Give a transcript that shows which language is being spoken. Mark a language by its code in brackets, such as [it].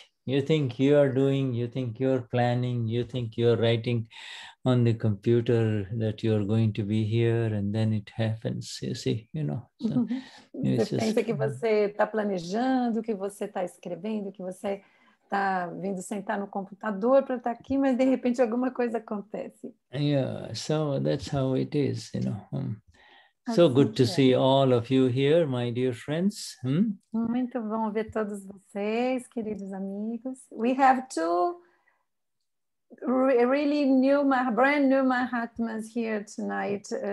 [en] You think you are planning, you think you are writing on the computer that you are going to be here, and then it happens, you see, you know. So, [pt] você pensa que você está planejando, que você está escrevendo, que você está vindo sentar no computador para estar aqui, mas de repente alguma coisa acontece. [en] Yeah, so that's how it is, you know. So good to see all of you here, my dear friends. [pt] Muito bom ver todos vocês, queridos amigos. [en] We have two really new, brand new mahatmas here tonight.